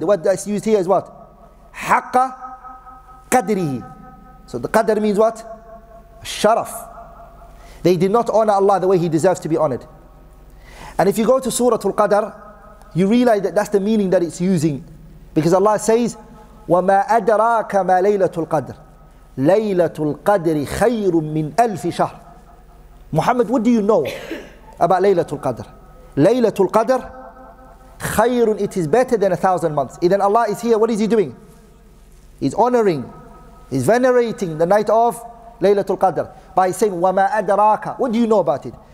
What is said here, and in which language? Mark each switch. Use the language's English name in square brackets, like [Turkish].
[English] The word that's used here is what? [Arabic] حَقَّ قَدْرِهِ. [English] So the Qadr means what? Sharaf. They did not honor Allah the way He deserves to be honored. And if you go to Suratul Qadr, you realize that that's the meaning that it's using. Because Allah says, [Arabic] وَمَا أَدْرَاكَ مَا لَيْلَةُ الْقَدْرِ لَيْلَةُ الْقَدْرِ خَيْرٌ مِّنْ أَلْفِ شَهْرٍ. [English] Muhammad, what do you know about Laylatul Qadr? Laylatul Qadr, خَيْرٌ, it is better than 1,000 months. Then Allah is here, what is He doing? He's honoring, He's venerating the night of Laylatul Qadr by saying, [Arabic] وَمَا أَدْرَاكَ. [English] What do you know about it?